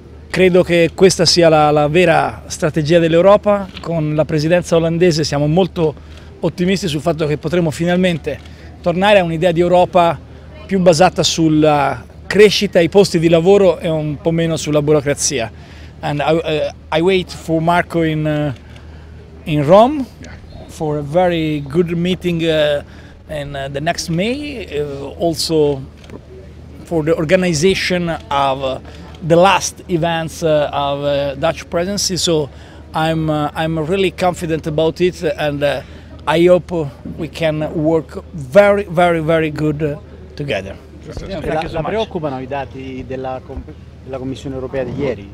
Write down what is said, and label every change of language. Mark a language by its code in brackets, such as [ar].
[it] Credo che questa sia la vera strategia dell'Europa. Con la presidenza olandese siamo molto ottimisti sul fatto che potremo finalmente tornare a un'idea di Europa più basata sulla crescita, i posti di lavoro e un po' meno sulla burocrazia. [en] And I wait for Marco in Rome for a very good meeting in the next May, also for the organization of the last events of Dutch presidency. So I'm really confident about it, and I hope we can work very, very, very good together. [it] La preoccupano i dati della Commissione Europea di ieri?